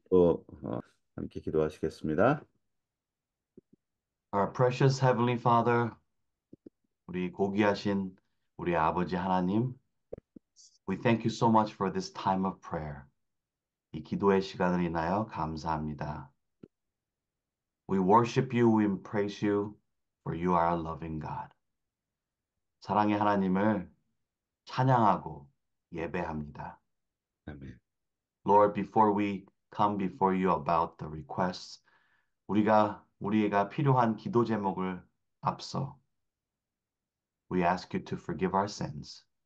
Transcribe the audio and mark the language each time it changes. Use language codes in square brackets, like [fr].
[ko] 또 함께 기도하시겠습니다. [en] Our precious Heavenly Father, [ko] 우리 고귀하신 우리 아버지 하나님, [en] we thank you so much for this time of prayer. [ko] 이 기도의 시간을 인하여 감사합니다. [en] We worship you, we praise you, for you are a loving God. [ko] 사랑의 하나님을 찬양하고 예배합니다. [en] Amen. Lord, before we come before you about the requests, [ko] 우리가 필요한 기도 제목을 앞서 [en] We ask you to forgive our sins.